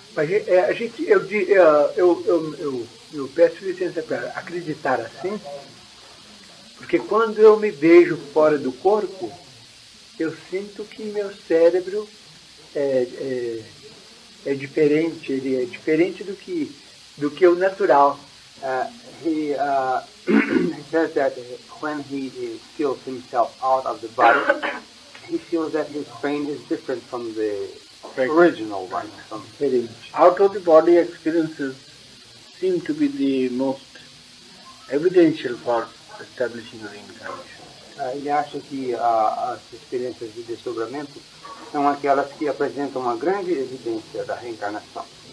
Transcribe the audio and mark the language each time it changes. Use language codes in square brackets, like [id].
[pt] Mas a gente, eu peço licença para acreditar assim, porque quando eu me vejo fora do corpo, eu sinto que meu cérebro é diferente, ele é diferente do que o natural. [en] He says that when he feels himself out of the body, he feels that his brain is different from the perfect original one, very out of the body experiences seem to be the most evidential for establishing reincarnation. [pt] Ele acha que as experiências de desdobramento são aquelas que apresentam uma grande evidência da reencarnação.